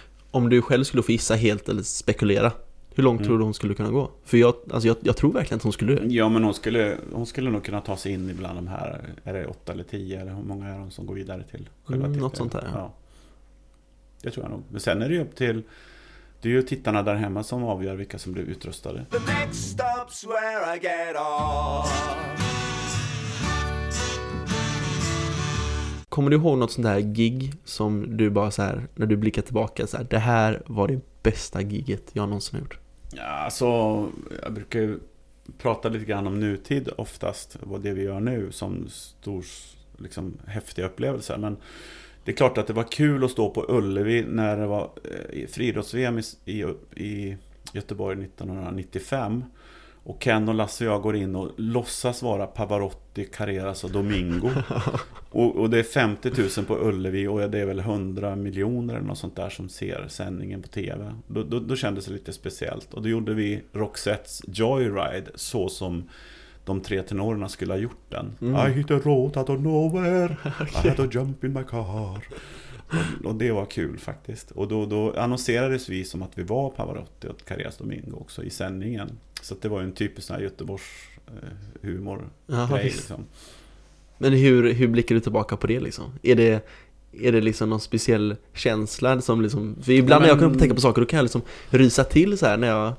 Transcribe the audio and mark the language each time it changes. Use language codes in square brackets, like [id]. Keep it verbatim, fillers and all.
[sv] Om du själv skulle få gissa helt eller spekulera, hur långt mm. tror du hon skulle kunna gå? För jag, alltså jag, jag tror verkligen att hon skulle. Ja, men hon skulle, hon skulle nog kunna ta sig in ibland de här, är det åtta eller tio eller hur många är de som går vidare till själva mm, något sånt här. Ja. Det tror jag nog. Men sen är det ju upp till, det är ju tittarna där hemma som avgör vilka som blir utrustade. [en] The next stop's where I get off. [sv] Kommer du ihåg något sånt där gig som du bara så här, när du blickar tillbaka så här, det här var det bästa giget jag någonsin gjort? Ja, alltså, jag brukar ju prata lite grann om nutid oftast, vad det vi gör nu som stor, liksom häftiga upplevelser. Men det är klart att det var kul att stå på Ullevi när det var friidrotts-V M i, i Göteborg nittonhundranittiofem. Och Ken och Lasse och jag går in och låtsas vara Pavarotti, Carreras och Domingo. Och, och det är femtio tusen på Ullevi och det är väl hundra miljoner eller något sånt där som ser sändningen på tv. Då, då, då kändes det lite speciellt. Och då gjorde vi Roxettes Joyride så som de tre tenorerna skulle ha gjort den. [en] Mm. I hit a road out of nowhere, I had a jump in my car. [sv] Och, och det var kul faktiskt. Och då, då annonserades vi som att vi var Pavarotti och Carreras Domingo också i sändningen. Så det var ju en typisk sån här Göteborgs eh, humor grej liksom. Men hur, hur blickar du tillbaka på det liksom? Är det, är det liksom någon speciell känsla som liksom, för ibland men, när jag kan tänka på saker då kan jag liksom rysa till så här när jag...